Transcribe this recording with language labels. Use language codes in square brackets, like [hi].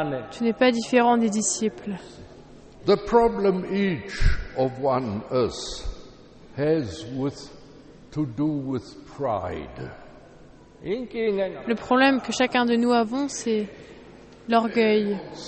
[fr] Tu n'es pas différent des disciples. [en] The problem each of one us has with to do with pride. [fr] Le problème que chacun de nous avons, c'est l'orgueil.